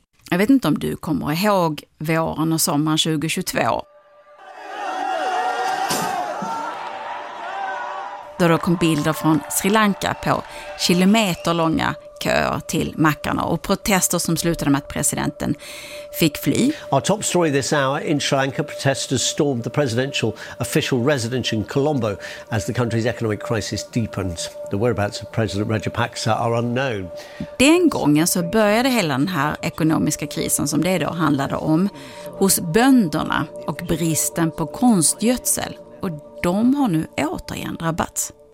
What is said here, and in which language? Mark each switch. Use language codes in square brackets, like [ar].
[sv] Jag vet inte om du kommer ihåg våren och sommaren 2022. Då det kom bilder från Sri Lanka på kilometerlånga köer till mackarna och protester som slutade med att presidenten fick fly. [en] Our top story this hour in Sri Lanka, protesters stormed the presidential official residence in Colombo as the country's economic crisis deepens. The whereabouts of President Rajapaksa are unknown. [sv] Den gången så började hela den här ekonomiska krisen som det då handlade om hos bönderna och bristen på konstgödsel. De har nu återigen drabbats.